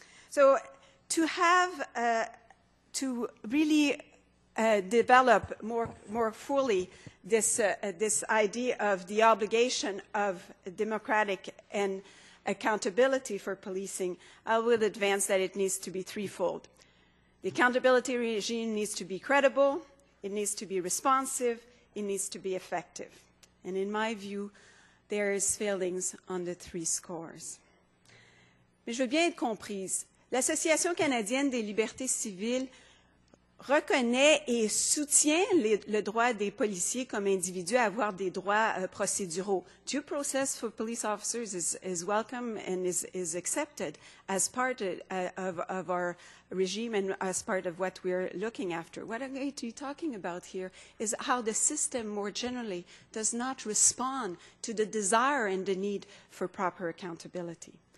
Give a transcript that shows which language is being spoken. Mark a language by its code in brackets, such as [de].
[en] So to have to really develop more fully this idea of the obligation of democratic and accountability for policing, I will advance that it needs to be threefold. The accountability regime needs to be credible. It needs to be responsive, it needs to be effective. And in my view, there is failings on the three scores. [fr] Mais je veux bien être comprise. L'Association canadienne des libertés civiles reconnaît et soutient le droit des policiers comme individus à avoir des droits procéduraux. [en] Due process for police officers is welcome and is accepted as part of our regime and as part of what we're looking after. What I'm going to be talking about here is how the system more generally does not respond to the desire and the need for proper accountability.